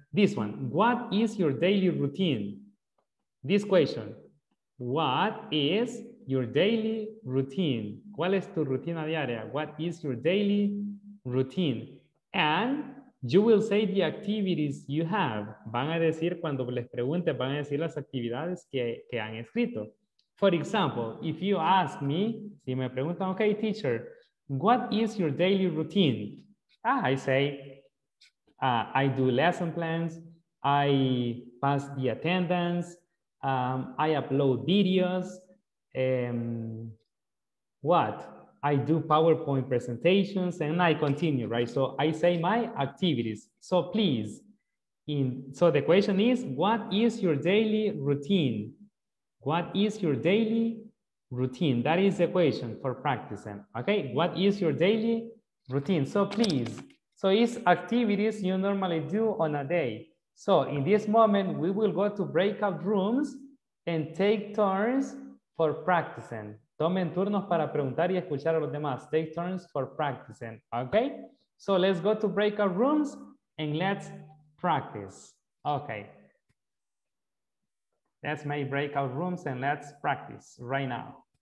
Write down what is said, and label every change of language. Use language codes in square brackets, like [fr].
[en] This one, what is your daily routine? This question, what is your daily routine? [es] ¿Cuál es tu rutina diaria? [en] What is your daily routine? And you will say the activities you have. [es] Van a decir, cuando les pregunte, van a decir las actividades que han escrito. [en] For example, if you ask me, [es] si me preguntan, [en] okay, teacher, what is your daily routine? I say, I do lesson plans, I pass the attendance, I upload videos, I do PowerPoint presentations, and I continue, right? So I say my activities. So please, so the question is, what is your daily routine? What is your daily routine? That is the question for practicing, okay? What is your daily routine? So please, so it's activities you normally do on a day. So in this moment, we will go to breakout rooms and take turns for practicing. [es] Tomen turnos para preguntar y escuchar a los demás. [en] Take turns for practicing, okay? So let's go to breakout rooms and let's practice, okay? Let's make breakout rooms and let's practice right now.